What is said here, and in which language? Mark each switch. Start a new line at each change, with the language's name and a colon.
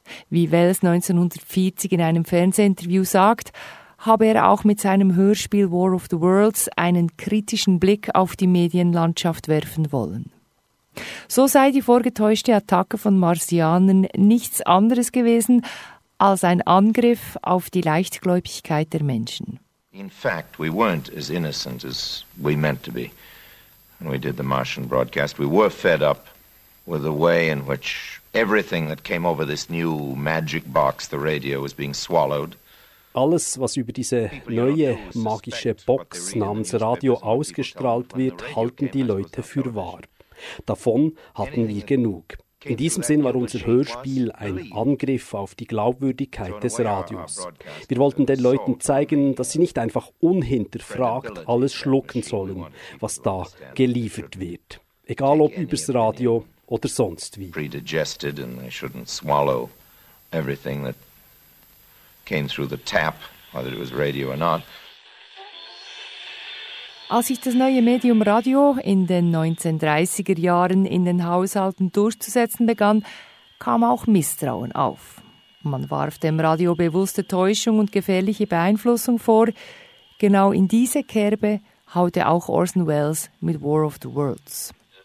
German: Wie Welles 1940 in einem Fernsehinterview sagt, habe er auch mit seinem Hörspiel War of the Worlds einen kritischen Blick auf die Medienlandschaft werfen wollen. So sei die vorgetäuschte Attacke von Marsianern nichts anderes gewesen als ein Angriff auf die Leichtgläubigkeit der Menschen.
English: In fact, we weren't as innocent as we meant to be. When we did the Martian broadcast, we were fed up with the way in which everything that came over this new magic box, the radio, was being swallowed.
German: Alles, was über diese neue magische Box namens Radio ausgestrahlt wird, halten die Leute für wahr. Davon hatten wir genug. In diesem Sinn war unser Hörspiel ein Angriff auf die Glaubwürdigkeit des Radios. Wir wollten den Leuten zeigen, dass sie nicht einfach unhinterfragt alles schlucken sollen, was da geliefert wird. Egal ob übers Radio oder sonst wie.
English: Predigested and they shouldn't swallow everything that came through the tap, whether it was radio or not.
German: Als sich das neue Medium Radio in den 1930er Jahren in den Haushalten durchzusetzen begann, kam auch Misstrauen auf. Man warf dem Radio bewusste Täuschung und gefährliche Beeinflussung vor. Genau in diese Kerbe haute auch Orson Welles mit War of the Worlds.